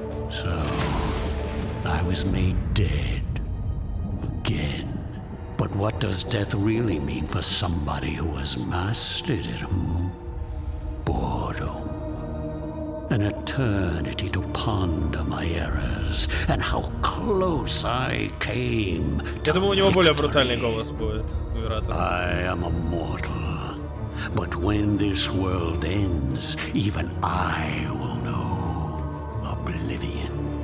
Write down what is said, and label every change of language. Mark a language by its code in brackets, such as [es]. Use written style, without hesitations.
[en] So, I was made dead again. But what does death really mean for somebody who has mastered it, Boredom. An eternity to ponder my errors, and how close I came to victory. [ru] Я думал, у него более брутальный голос будет. [en] I am a mortal. But when this world ends, even I will know oblivion.